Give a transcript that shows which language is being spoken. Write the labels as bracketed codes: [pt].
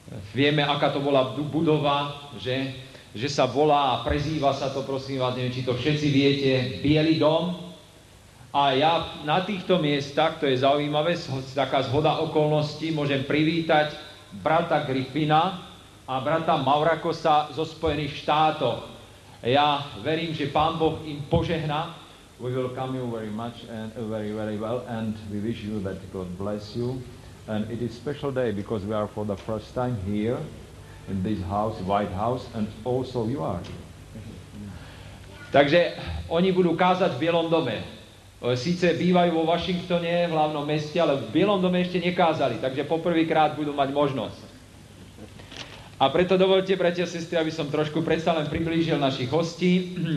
[sk] Vieme, aká to bola budova, že sa volá a prezýva sa to, prosím vás, neviem, či to všetci viete, Bielý dom. A ja na týchto miestach, to je zaujímavé, taká zhoda okolností, môžem privítať brata Griffina a brata Maurakosa zo Spojených štátov. Ja verím, že Pán Boh im požehná. [en] We welcome you very much and very, very well, and we wish you that God bless you. And it is a special day because we are for the first time here in this house, White House, and also you are here. [sk] Takže oni budú kázať v Bielom dome. Síce bývajú vo Washingtone, v hlavnom meste, ale v Bielom dome ešte nekázali, takže poprvýkrát budú mať možnosť. A preto dovolte, bratia a sestry, aby som trošku predsa len priblížil našich hostí.